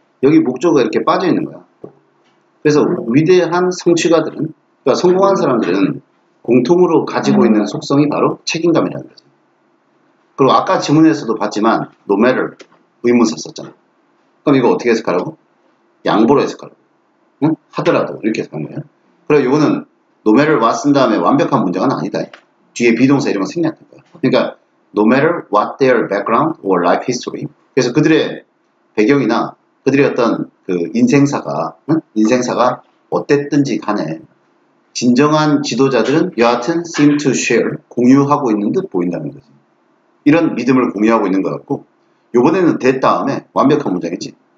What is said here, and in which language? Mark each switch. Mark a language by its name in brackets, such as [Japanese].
[Korean] 여기 목적어가 이렇게 빠져있는 거야. 그래서 위대한 성취가들은, 그러니까 성공한 사람들은 공통으로 가지고 있는 속성이 바로 책임감이라는 거지. 그리고 아까 지문에서도 봤지만, no matter, 의문사 썼잖아. 그럼 이거 어떻게 해석하라고? 양보로 해석하라고. 응? 하더라도, 이렇게 해석한 거야. 그리고 이거는 no matter what 쓴 다음에 완벽한 문장은 아니다. 뒤에 비동사 이런 거 생략된 거야. [English] 그러니까, no matter what their background or life history. [Korean] 그래서 그들의 배경이나 그들의 어떤 그 인생사가, 응? 인생사가 어땠든지 간에, 진정한 지도자들은 여하튼 [English] seem to share, [Korean] 공유하고 있는 듯 보인다는 거지. 이런 믿음을 공유하고 있는 것 같고, 요번에는 that 다음에 완벽한 문장이지.